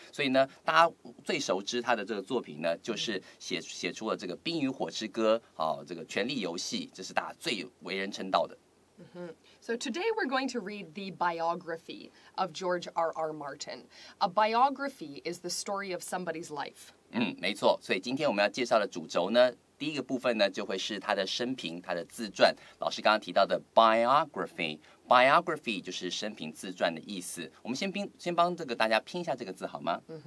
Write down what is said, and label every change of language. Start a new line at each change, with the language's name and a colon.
Chinese: 所以呢，大家最熟知他的这个作品呢，就是写出了这个冰与火之歌，好，这个权力游戏，这是大家最为人称道的。
English: So today we're going to read the biography of George R.R. Martin. A biography is the story of somebody's life.
Chinese: 没错，所以今天我们要介绍的主轴呢，第一个部分呢就会是他的生平，他的自传。老师刚刚提到的 biography， biography 就是生平自传的意思。我们先帮这个大家拼一下这个字好吗？